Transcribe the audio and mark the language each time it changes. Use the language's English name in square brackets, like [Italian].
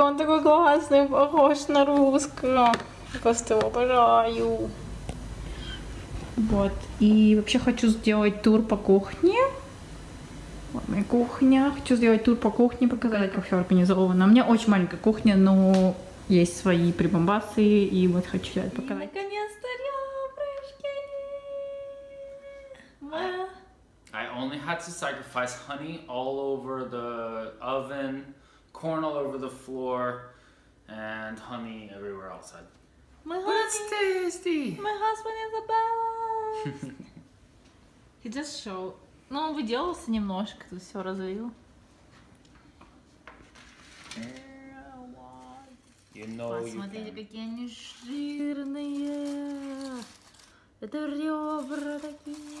[Russian] Он такой классный, похож на русского. Просто его обожаю. Вот. И вообще хочу сделать тур по кухне. Вот моя кухня. Хочу сделать тур по кухне, показать, как все организовано. У меня очень маленькая кухня, но есть свои прибамбасы, и вот хочу я это показать. Наконец-то ребрышки! [English] I only had to sacrifice honey all over the oven, corn all over the floor, and honey everywhere outside. My honey! That's tasty! My husband is the best! He just showed... [Russian] Ну, он выделался немножко, тут все развил. [English] You know. [Russian] Посмотрите, [English] you can. [Russian] Какие они жирные. Это ребра такие.